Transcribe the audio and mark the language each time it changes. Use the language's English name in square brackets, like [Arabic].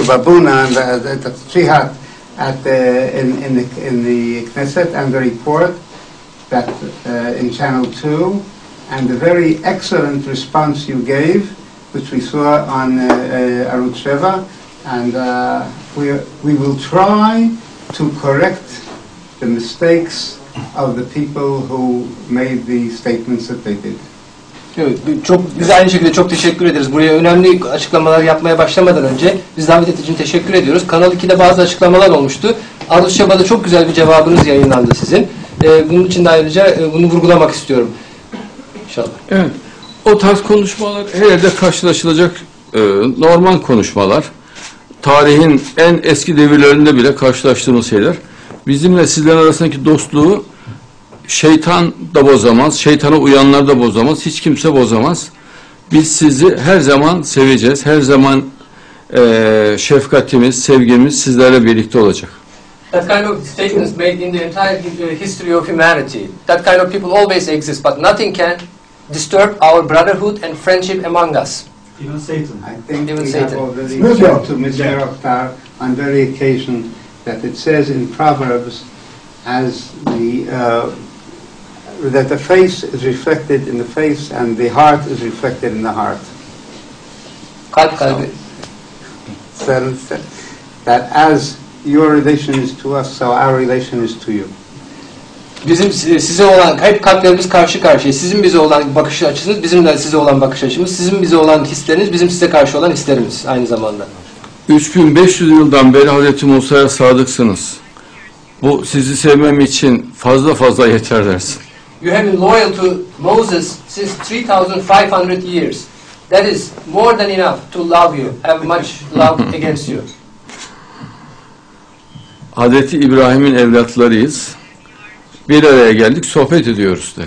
[English] Babuna and Dr. Trihat in the Knesset and the report that in Channel 2 and the very excellent response you gave, which we saw on Arut Sheva, and we will try to correct the mistakes of the people who made the statements that they did. [Turkish] Evet, çok biz aynı şekilde çok teşekkür ederiz. Buraya önemli açıklamalar yapmaya başlamadan önce biz davet ettiğiniz için teşekkür ediyoruz. Kanal 2'de bazı açıklamalar olmuştu. Arut Sheva'da çok güzel bir cevabınız yayınlandı sizin. Bunun için de ayrıca bunu vurgulamak istiyorum. İnşallah. Evet. O tarz konuşmalar herhalde karşılaşılacak normal konuşmalar. Tarihin en eski devirlerinde bile karşılaştığımız şeyler. Bizimle sizlerin arasındaki dostluğu şeytan da bozamaz, şeytana uyanlar da bozamaz, hiç kimse bozamaz. Biz sizi her zaman seveceğiz, her zaman şefkatimiz, sevgimiz sizlerle birlikte olacak. [English] That kind of statements made in the entire history of humanity, that kind of people always exist, but nothing can disturb our brotherhood and friendship among us. Even Satan. I think we have already talked to Mr. Yeah. Oktar on very occasion that it says in Proverbs as the that the face is reflected in the face and the heart is reflected in the heart. [Turkish] Kalp kalbi. [English] So that as your relation is to us, so our relation is to you. [Turkish] Bizim size olan kalp kalplerimiz karşı karşıya. Sizin bize olan bakış açınız, bizim de size olan bakış açımız. Sizin bize olan hisleriniz, bizim size karşı olan hislerimiz aynı zamanda. 3500 yıldan beri Hazreti Musa'ya sadıksınız. Bu sizi sevmem için fazla fazla yeter dersin. [English] You have been loyal to Moses since 3500 years. That is more than enough to love you, have much love against you. [Turkish] Hazreti İbrahim'in evlatlarıyız. Bir araya geldik, sohbet ediyoruz der.